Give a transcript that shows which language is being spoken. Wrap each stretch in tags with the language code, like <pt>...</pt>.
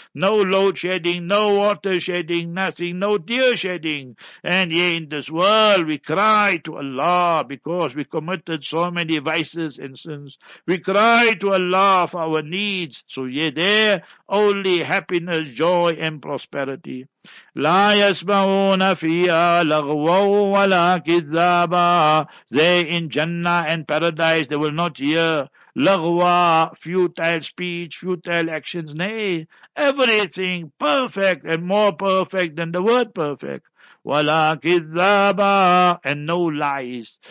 <en>No load shedding, no water shedding, nothing, no tear shedding. And yet in this world we cry to Allah because we committed so many vices and sins. We cry to Allah for our needs. So yet there, only happiness, joy and prosperity.</en> <ar>لا يسمعون فيها لغوا ولا كذابا.</ar> <en>They in Jannah and paradise, they will not hear lagwa, futile speech, futile actions. Nay, everything perfect and more perfect than the word perfect. Wala kizaba, and no lies.</en>